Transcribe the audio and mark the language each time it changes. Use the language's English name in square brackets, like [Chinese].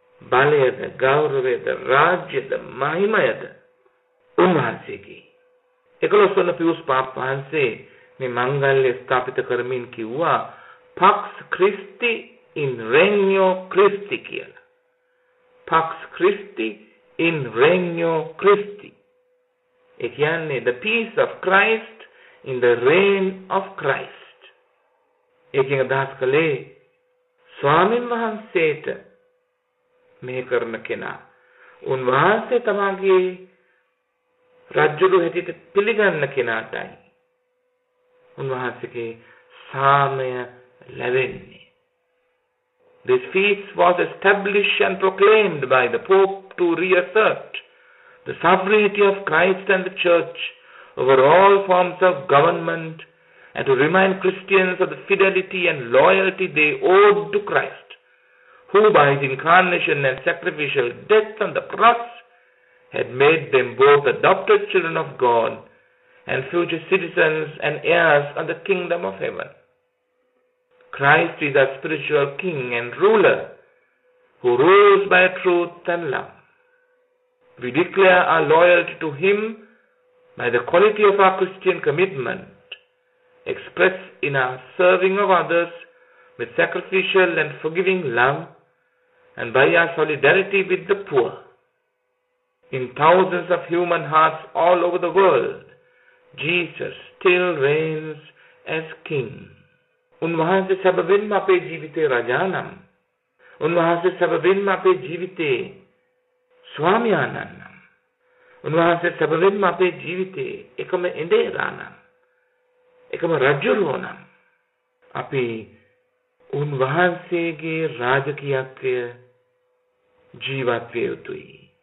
[Sinhala] බලයද ගෞරවයද රාජ්‍යද මහිමයද උන්වහන්සේගේ. එකොළොස් වන පියුස් පාප් වහන්සේ මේ මංගල්‍ය ස්ථාපිත කරමින් කිව්වා [Latin] පක්ස් ක්‍රිස්ති ඉන් රෙඤ්ඤෝ ක්‍රිස්ති [Sinhala] කියලා. [Latin] පක්ස් ක්‍රිස්ති ඉන් රෙඤ්ඤෝ ක්‍රිස්ති, [Sinhala] ඒ කියන්නේ [English] the peace of Christ in the reign of Christ. [Sinhala] ඒකෙන් අදහස් කළේ ස්වාමීන් වහන්සේට මේ කරන කෙනා උන්වහන්සේ තමගේ රජුළු හැටියට පිළිගන්න කෙනාටයි උන්වහන්සේගේ සාමය ලැබෙන්නේ. [English] This feast was established and proclaimed by the Pope to reassert the sovereignty of Christ and the Church over all forms of government and to remind Christians of the fidelity and loyalty they owed to Christ, who by his incarnation and sacrificial death on the cross had made them both adopted children of God and future citizens and heirs of the kingdom of heaven. Christ is our spiritual king and ruler who rules by truth and love. We declare our loyalty to him by the quality of our Christian commitment, expressed in our serving of others with sacrificial and forgiving love, and by our solidarity with the poor. In thousands of human hearts all over the world, Jesus still reigns as King. [Sinhala] උන්වහන්සේ සැබවින්ම අපේ ජීවිතේ රජානම්, උන්වහන්සේ සැබවින්ම අපේ ජීවිතේ ස්වාමියානම්, උන්වහන්සේ සැබවින්ම අපේ ජීවිතේ එකම එඳේරානම්, එකම රජුරෝනම්, අපි උන්වහන්සේගේ රාජකීයත්වය ජීවත් විය යුතුයි.